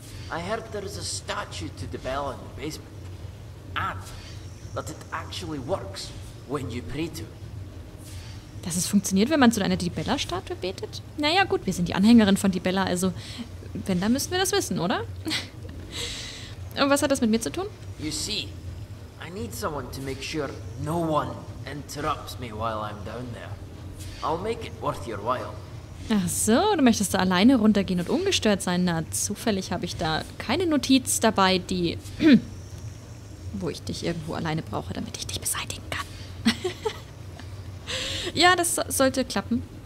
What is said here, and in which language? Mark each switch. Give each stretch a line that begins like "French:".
English: I heard there is a statue to the bell in the basement. And that it actually works when you pray to it.
German: Dass es funktioniert, wenn man zu einer Dibella-Statue betet? Naja, gut, wir sind die Anhängerin von Dibella, also wenn, dann müssten wir das wissen, oder? Und was hat das mit mir zu tun?
English: You see, I need someone to make sure no one interrupts me while I'm down there. I'll make it worth your while.
German: Ach so, du möchtest da alleine runtergehen und ungestört sein? Na, zufällig habe ich da keine Notiz dabei, die... wo ich dich irgendwo alleine brauche, damit ich dich beseitigen kann. Ja, das sollte klappen.